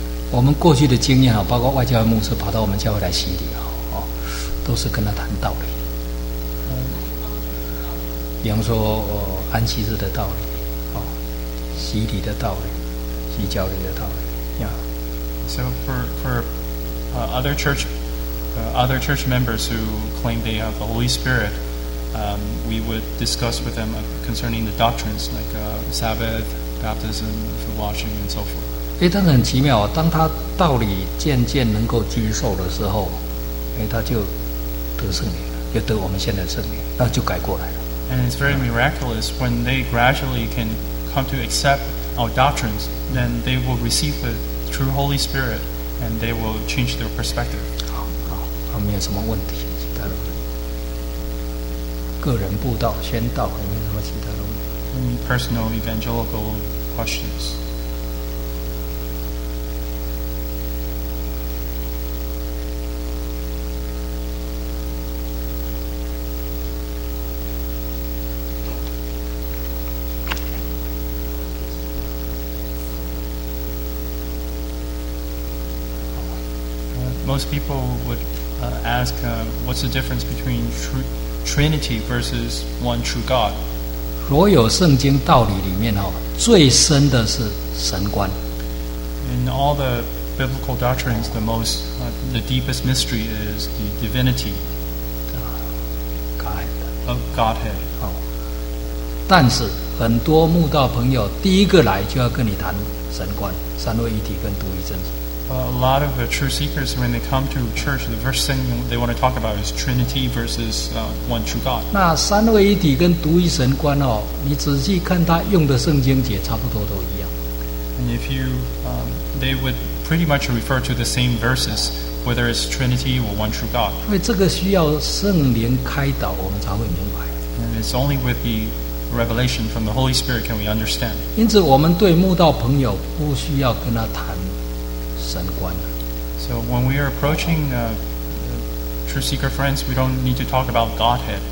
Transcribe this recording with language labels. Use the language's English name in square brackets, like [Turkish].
[Chinese] 我们过去的经验啊，包括外教的牧师跑到我们教会来洗礼啊，都是跟他谈道理，比方说安息日的道理，洗礼的道理，洗脚礼的道理，呀。 [English] So for other church members who claim they have the Holy Spirit, we would discuss with them concerning the doctrines like Sabbath, baptism, for washing, and so forth. [Chinese] 哎，但是很奇妙啊，当他道理渐渐能够接受的时候，他就得圣灵了，就得我们现在圣灵，那就改过来了。 [English] And it's very miraculous when they gradually can come to accept our doctrines, then they will receive the true Holy Spirit, and they will change their perspective. [Chinese] 好，没有什么问题，其他的问题。个人布道、宣道，有没有什么其他的问题？ [English] Any personal evangelical questions? Most people would ask, what's the difference between Trinity versus one true God? [Chinese] 所有圣经道理里面最深的是神观。 [English] In all the biblical doctrines, the deepest mystery is the divinity of Godhead. [Chinese] 但是很多慕道朋友第一个来就要跟你谈神观，三位一体跟独一真神。 [English] a lot of the true seekers, when they come to church, the first thing they want to talk about is Trinity versus one true God. [Chinese] 那三位一体跟独一神观哦, 你仔细看他用的圣经节差不多都一样。 [English] And if you, they would pretty much refer to the same verses, whether it's Trinity or one true God. [Chinese] 因为这个需要圣灵开导我们才会明白。 [English] And it's only with the revelation from the Holy Spirit can we understand. [Chinese] 因此我们对慕道朋友不需要跟他谈。 [English] So when we are approaching true seeker friends, we don't need to talk about Godhead.